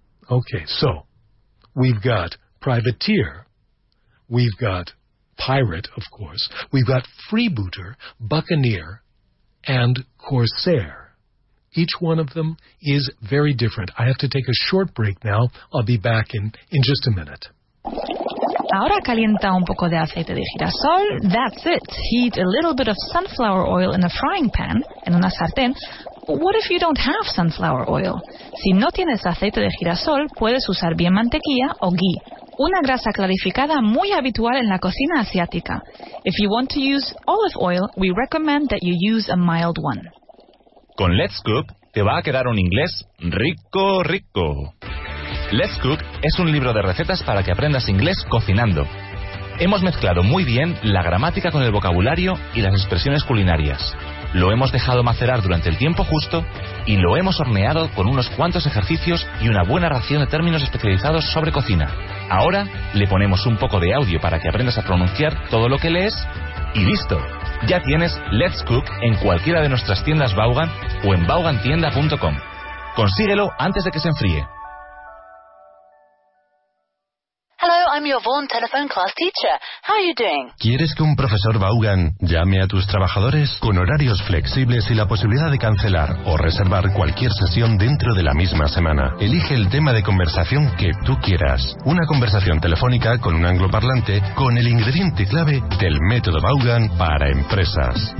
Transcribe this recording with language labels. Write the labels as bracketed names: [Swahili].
[English] Okay, so we've got privateer. We've got pirate, of course. We've got freebooter, buccaneer, and corsair. Each one of them is very different. I have to take a short break now. I'll be back in just a minute. [Spanish] Ahora calienta un poco de aceite de girasol. [English] That's it. Heat a little bit of sunflower oil in a frying pan, [Spanish] en una sartén. [English] What if you don't have sunflower oil? [Spanish] Si no tienes aceite de girasol, puedes usar bien mantequilla o ghee. Una grasa clarificada muy habitual en la cocina asiática. [English] If you want to use olive oil, we recommend that you use a mild one. [Spanish] Con Let's Cook te va a quedar un inglés rico, rico. Let's Cook es un libro de recetas para que aprendas inglés cocinando. Hemos mezclado muy bien la gramática con el vocabulario y las expresiones culinarias. Lo hemos dejado macerar durante el tiempo justo y lo hemos horneado con unos cuantos ejercicios y una buena ración de términos especializados sobre cocina. Ahora le ponemos un poco de audio para que aprendas a pronunciar todo lo que lees y listo. Ya tienes Let's Cook en cualquiera de nuestras tiendas Vaughan o en vaughantienda.com. Consíguelo antes de que se enfríe. [English] Hello, I'm your Vaughan telephone class teacher. How are you doing? [Spanish] ¿Quieres que un profesor Vaughan llame a tus trabajadores? Con horarios flexibles y la posibilidad de cancelar o reservar cualquier sesión dentro de la misma semana. Elige el tema de conversación que tú quieras. Una conversación telefónica con un angloparlante con el ingrediente clave del método Vaughan para empresas.